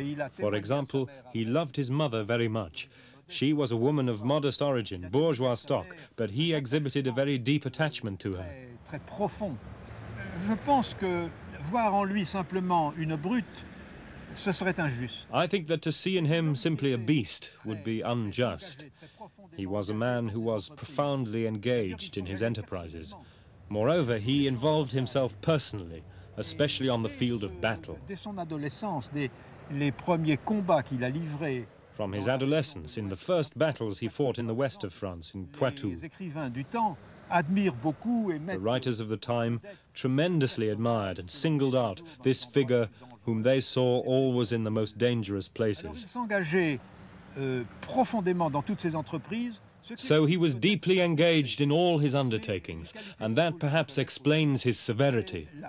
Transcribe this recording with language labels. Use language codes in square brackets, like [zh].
[en] For example, he loved his mother very much. She was a woman of modest origin, bourgeois stock, but he exhibited a very deep attachment to her. [fr] Très profond. Je pense que voir en lui simplement une brute, ce serait injuste. [en] I think that to see in him simply a beast would be unjust. He was a man who was profoundly engaged in his enterprises. Moreover, he involved himself personally, especially on the field of battle. [fr] Dès son adolescence, les premiers combats qu'il a livrés. [en] From his adolescence, in the first battles he fought in the west of France, in Poitou. [fr] Les écrivains du temps admirent beaucoup et [en] the writers of the time tremendously admired and singled out this figure whom they saw always in the most dangerous places. [fr] Il s'engageait profondément dans toutes ses entreprises. [en] So he was deeply engaged in all his undertakings, and that perhaps explains his severity.